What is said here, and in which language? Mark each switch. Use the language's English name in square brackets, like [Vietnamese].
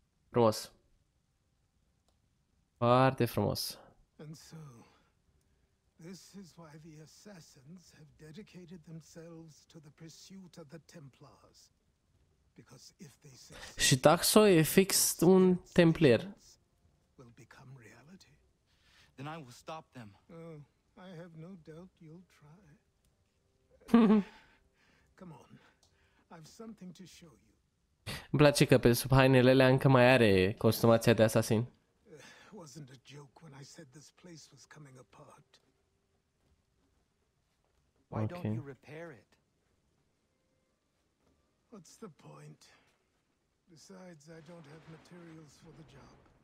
[Romanian] Frumos. Foarte frumos. [English] And so, this is why the assassins have dedicated themselves to the pursuit of the Templars. Because if they succeed, [Romanian] și Taxo e fix un templier. [English] Will become reality. Then I will stop them. Oh, I have no doubt you'll try. Come on. I've something to show you. [Romanian] Îmi place că pe sub hainele alea încă mai are costumația de asasin. [English] Wasn't a joke when I said this place was coming apart. Why don't you repair it? What's the point? Besides, I don't have materials for the job.